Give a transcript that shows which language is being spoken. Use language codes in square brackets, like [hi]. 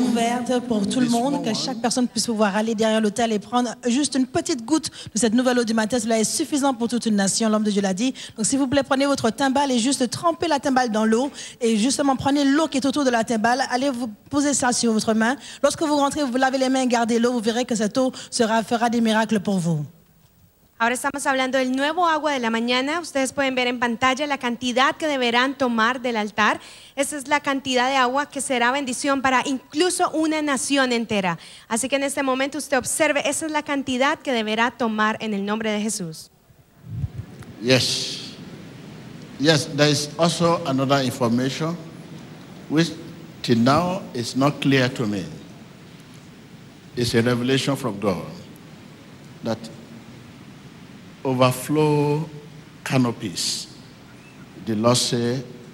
[fr] ouverte pour tout le monde, que chaque personne puisse pouvoir aller derrière l'autel et prendre juste une petite goutte de cette nouvelle eau du matin. Cela est suffisant pour toute une nation, l'homme de Dieu l'a dit. Donc s'il vous plaît, prenez votre timbale et juste trempez la timbale dans l'eau. Et justement, prenez l'eau qui est autour de la timbale, allez vous poser ça sur votre main. Lorsque vous rentrez, vous lavez les mains, gardez l'eau, vous verrez que cette eau fera des miracles pour vous. [es] Ahora estamos hablando del nuevo agua de la mañana. Ustedes pueden ver en pantalla la cantidad que deberán tomar del altar. Esa es la cantidad de agua que será bendición para incluso una nación entera. Así que en este momento usted observe, esa es la cantidad que deberá tomar en el nombre de Jesús. [en] Yes. Yes, there is also another information which till now is not clear to me. It's a revelation from God that overflow canopies. The Lord said,